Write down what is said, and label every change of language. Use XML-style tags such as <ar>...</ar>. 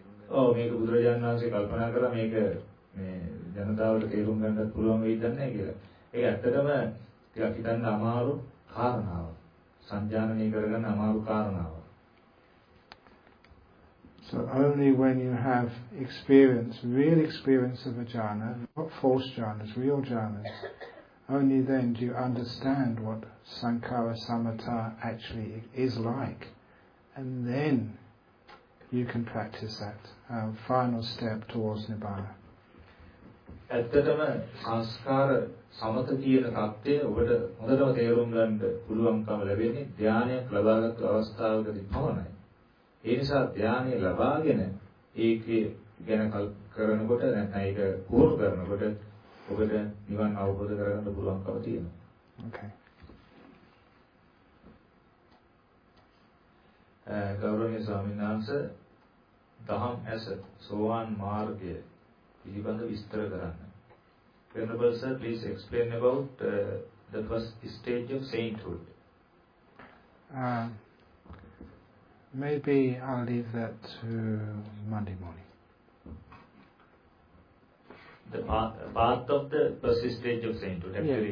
<si>ඔව් මේක බුදුරජාන් වහන්සේ කල්පනා කරලා මේක මේ ජනතාවට තේරුම් ගන්නත් පුළුවන් වෙයිද නැහැ කියලා. ඒක ඇත්තටම ටිකක් හිතන්න අමාරු කාරණාව. සංජානනය කරගන්න අමාරු කාරණාව.</si> <en>So only when you have experience, real experience of a jhana, not false jhanas, real jhanas, only then do you understand what sankhara samatha actually is like, and then you can practice that final step towards nibbana.</en> <si>ඇත්තටම සංස්කාර සමත කියන தත්ත්වය ඔබට හොඳටම තේරුම් ගන්න පුළුවන්කම ලැබෙන්නේ ධානයක් ලබාගත් අවස්ථාවකදී පමණයි. ඒ නිසා ධානය ලබාගෙන ඒකේ ගැන කරනකොට නැත්නම් ඒක කෝර් කරනකොට ඔබට නිවන් අවබෝධ කරගන්න පුළුවන්කම තියෙනවා.</si> <en>Okay.</en> <si>ගෞරවනීය ස්වාමීන් වහන්සේ දහම් ඇස සෝවාන් මාර්ගය පිළිබඳ විස්තර කරන්න.</si> <en>Venerable sir, please explain about the first stage of sainthood. Maybe I'll leave that to Monday morning. The path of the first stage of sainthood, actually,</en>